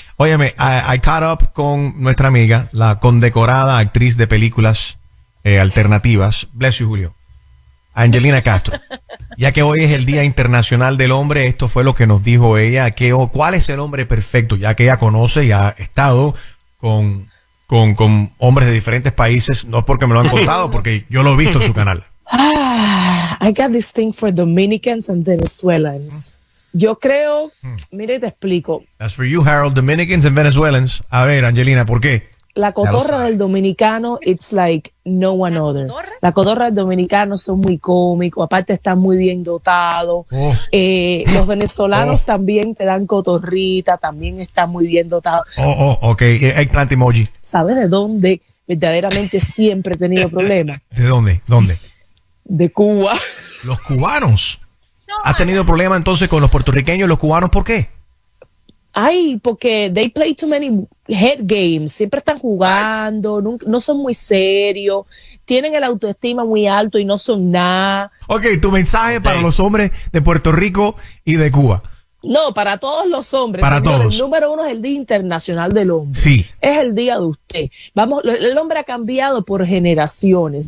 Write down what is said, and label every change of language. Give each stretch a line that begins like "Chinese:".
Spanish: Óyeme,
English: I caught up
Spanish: con nuestra amiga, la condecorada actriz de películas, alternativas.
English: Bless you,
Spanish: Julio. Angelina Castro. Ya que hoy es el Día Internacional del Hombre, esto fue lo que nos dijo ella. ¿Cuál es el hombre perfecto? Ya que ella conoce y ha estado con hombres de diferentes países. No es porque me lo han contado, porque yo lo he visto en su canal.
English: I got this thing for Dominicans and Venezuelans.
Spanish: Yo creo, mire, te explico.
English: That's for you, Harold. Dominicans and Venezuelans.
Spanish: A ver,
English: Angelina,
Spanish: ¿por qué? La cotorra del dominicano,
English: it's like no one other.
Spanish: La cotorra del dominicano son muy cómicos, aparte están muy bien dotados. Oh. Los venezolanos también te dan cotorrita, también están muy bien dotados.
English: Ok. Eggplant emoji.
Spanish: ¿Sabes de dónde verdaderamente siempre he tenido problemas? ¿De dónde? ¿Dónde? De Cuba. ¿Los cubanos? ¿Has tenido problemas entonces con los puertorriqueños y los cubanos? ¿Por qué? Ay, porque
English: they play too many head games.
Spanish: Siempre están jugando, nunca, no son muy serios, tienen el autoestima muy alto y no son nada. Ok, tu mensaje para los hombres de Puerto Rico y de Cuba. No, para todos los hombres. Para señores, todos. El número uno es el Día Internacional del Hombre. Sí. Es el día de usted. Vamos, el hombre ha cambiado por generaciones.